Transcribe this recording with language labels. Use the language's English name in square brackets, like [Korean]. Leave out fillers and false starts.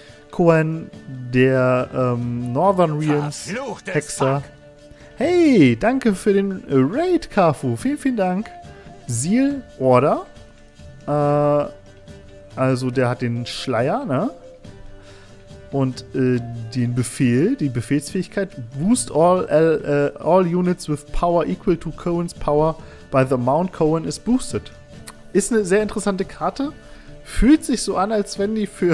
[German] Kuen, der Northern Realms-Hexer. Hey, danke für den Raid, Kafu. Vielen, vielen Dank. [English] Seal Order. [German] Also der hat den Schleier, ne? Und den Befehl, die Befehlsfähigkeit. [English] Boost all units with power equal to Cohen's power by the amount Cohen is boosted. [German] Ist eine sehr interessante Karte. Fühlt sich so an, als wenn die